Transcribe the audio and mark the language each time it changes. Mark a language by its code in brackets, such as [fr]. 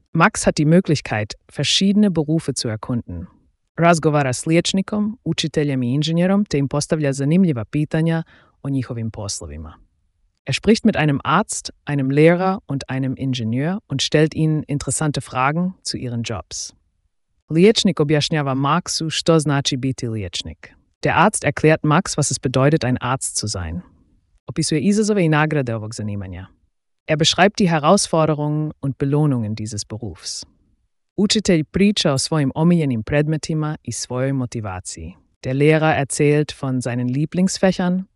[de] Max hat die Möglichkeit, verschiedene Berufe zu erkunden. [hr] Razgovara s liječnikom, učiteljem i inženjerom, te im postavlja zanimljiva pitanja o njihovim poslovima. [de] Er spricht mit einem Arzt, einem Lehrer und einem Ingenieur und stellt ihnen interessante Fragen zu ihren Jobs. [hr] Liječnik objašnjava Maxu što znači biti liječnik. [de] Der Arzt erklärt Max, was es bedeutet, ein Arzt zu sein. [hr] Opisuje izazove i nagrade ovog zanimanja. [de] Er beschreibt die Herausforderungen und Belohnungen dieses Berufs. [hr] Učitelj priča o svojim omiljenim predmetima i svojoj motivaciji. [de] Der Lehrer erzählt von seinen Lieblingsfächern